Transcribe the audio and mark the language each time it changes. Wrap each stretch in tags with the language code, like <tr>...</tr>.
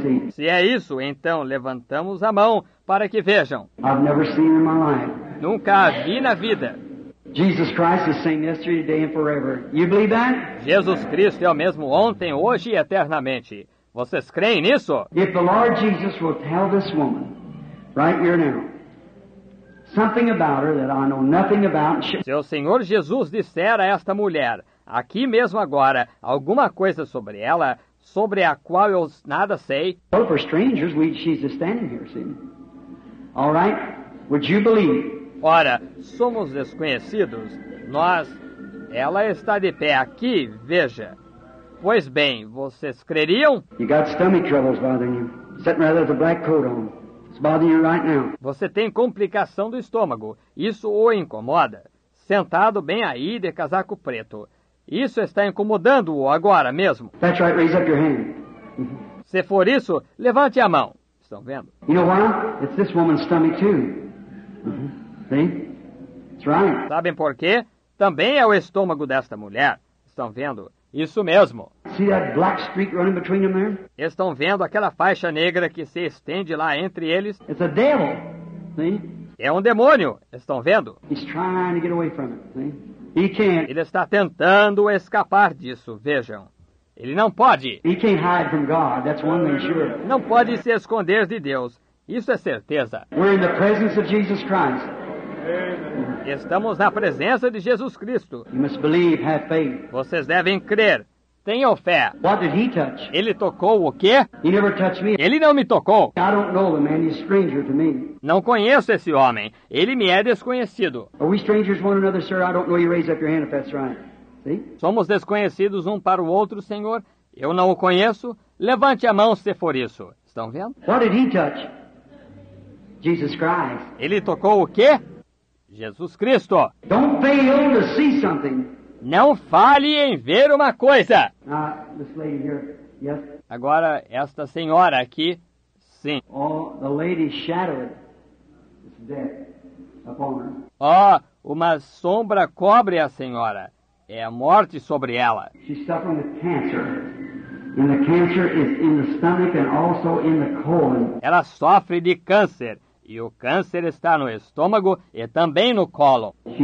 <pt>Se é isso, então levantamos a mão para que vejam.</pt> <en>I've never seen in my life.</en> <pt>Nunca a vi na vida.</pt> <en>Jesus Christ is the same yesterday, today and forever. You believe that?</en> <pt>Jesus Cristo é o mesmo ontem, hoje e eternamente. Vocês creem nisso?</pt> <en>If the Lord Jesus will tell this woman, right here now, something about her that I know nothing about.</en> <pt>Se o Senhor Jesus disser a esta mulher, aqui mesmo agora, alguma coisa sobre ela, sobre a qual eu nada sei.</pt> <en>Well, for strangers, she's just standing here, see? All right? Would you believe?</en> <pt>Ora, somos desconhecidos. Nós, ela está de pé aqui, veja. Pois bem, vocês creriam?</pt> <en>You got stomach troubles bothering you. Sitting rather with a black coat on. It's bothering you right now.</en> <pt>Você tem complicação do estômago. Isso o incomoda. Sentado bem aí de casaco preto. Isso está incomodando-o agora mesmo.</pt> <en>That's right, raise up your hand.</en> <pt>Se for isso, levante a mão. Estão vendo?</pt> <en>You know why? It's this woman's stomach too. Uh-huh. See? That's right.</en> <pt>Sabem por quê? Também é o estômago desta mulher. Estão vendo? Isso mesmo.</pt> <en>See that black streak running between them there?</en> <pt>Estão vendo aquela faixa negra que se estende lá entre eles?</pt> <en>It's a devil. See?</en> <pt>É um demônio. Estão vendo?</pt> <en>He's trying to get away from it. See? He can't.</en> <pt>Ele está tentando escapar disso, vejam. Ele não pode.</pt> <en>He can't hide from God. That's one thing sure.</en> <pt>Não pode se esconder de Deus. Isso é certeza.</pt> <en>We're in the presence of Jesus Christ.</en> <pt>Estamos na presença de Jesus Cristo.</pt> <en>You must believe, have faith.</en> <pt>Vocês devem crer. Tenham fé.</pt> <en>What did he touch?</en> <pt>Ele tocou o quê?</pt> <en>He never touched me.</en> <pt>Ele não me tocou.</pt> <en>I don't know the man. He's a stranger to me.</en> <pt>Não conheço esse homem. Ele me é desconhecido.</pt> <en>Are we strangers one another, sir? I don't know you. Raise up your hand if that's right. See?</en> <pt>Somos desconhecidos um para o outro, senhor. Eu não o conheço. Levante a mão se for isso. Estão vendo?</pt> <en>What did he touch? Jesus Christ.</en> <pt>Ele tocou o quê? Jesus Cristo.</pt> <en>Don't fail to see something.</en> <pt>Não fale em ver uma coisa.</pt> <en>This lady here. Yes.</en> <pt>Agora, esta senhora aqui, sim.</pt> <en>Oh, the lady shadowed. It's death upon her.</en> <pt>Oh, uma sombra cobre a senhora. É a morte sobre ela.</pt> <en>She's suffering with cancer. And the cancer is in the stomach and also in the colon.</en> <pt>Ela sofre de câncer. E o câncer está no estômago e também no colo.</pt>